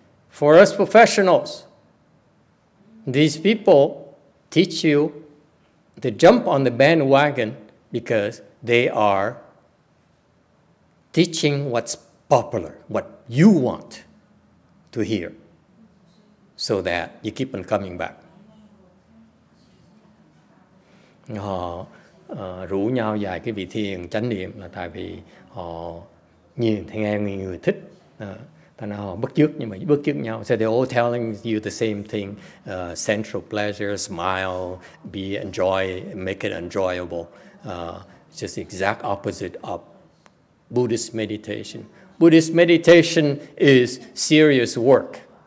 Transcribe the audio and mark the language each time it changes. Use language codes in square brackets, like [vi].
[en] For us professionals, these people teach you to jump on the bandwagon because they are teaching what's popular, what you want to hear, so that you keep on coming back. [vi] Họ rủ nhau dạy cái vị thiền chánh niệm là tại vì họ nhìn thấy nghe người thích. Tại nào họ bất chước, nhưng mà bất chước nhau. [en] So they're all telling you the same thing. Sensual pleasure, smile, make it enjoyable. Just the exact opposite of Buddhist meditation. Buddhist meditation is serious work.